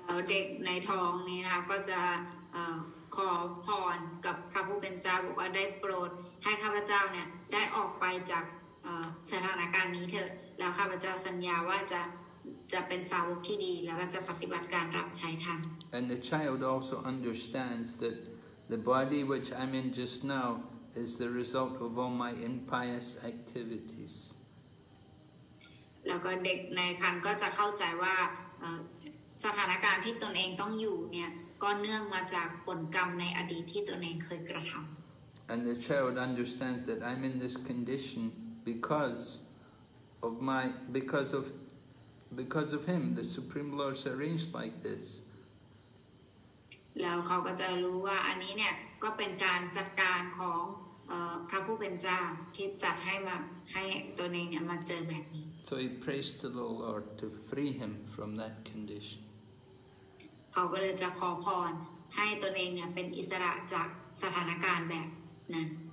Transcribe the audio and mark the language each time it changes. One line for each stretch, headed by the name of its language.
Thai: เด็กในท้องนี้นะก็จะขอพรกับพระผู้เป็นเจ้าบอกว่าได้โปรดให้ข้าพเจ้าเนี่ยได้ออกไปจากสถานการณ์นี้เถิดแล้วข้าพเจ้าสัญญาว่าจะเป็นสาวกที่ดีแล้วก็จะปฏิบัติการรับใช้ท่าน
English: And the child also understands that the body which I'm in just now is the result of all my impious activities.
Thai: แล้วก็เด็กในครรภ์ก็จะเข้าใจว่าสถานการณ์ที่ตนเองต้องอยู่เนี่ยก็เนื่องมาจากผลกรรมในอดีตที่ตนเองเคยกระทำ
English: And the child understands that I'm in this condition because of him the Supreme Lord's arranged like this
Thai: แล้วเขาก็จะรู้ว่าอันนี้เนี่ยก็เป็นการจัดการของพระผู้เป็นเจ้าที่จัดให้ตนเองเนี่ยมาเจอแบบนี้
English: So he prays to the Lord to free him from that condition.
Thai: เขาก็เลยจะขอพรให้ตนเองเนี่ยเป็นอิสระจากสถานการณ์แบบนั้น